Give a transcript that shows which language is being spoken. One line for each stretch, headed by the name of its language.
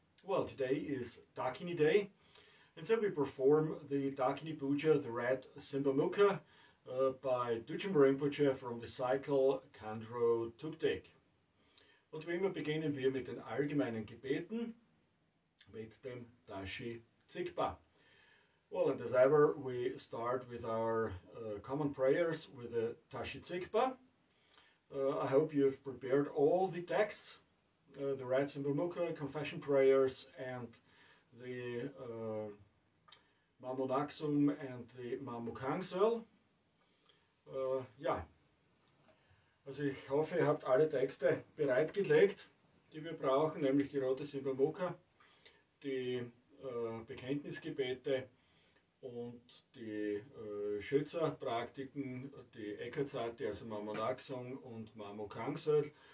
English: Well, today is Dakini Day, and so we perform the Dakini Puja, the red Simbamukha, by Dujum Rinpoche from the cycle Chandraduktik.
German: Und wie immer beginnen wir mit den allgemeinen Gebeten, mit dem Dashi Zigpa.
English: Well, and as ever, we start with our common prayers with the Dashi Zigpa. I hope you've prepared all the texts, the Red Simbamukha, Confession Prayers, and the Mamo Naksum and the Mamo Kangsel.
German: Also ich hoffe, ihr habt alle Texte bereitgelegt, die wir brauchen, nämlich die rote Simbamukha, die Bekenntnisgebete und die Schützerpraktiken, die Eckertsati, also Mamo Naksung und Mamo Kangsel.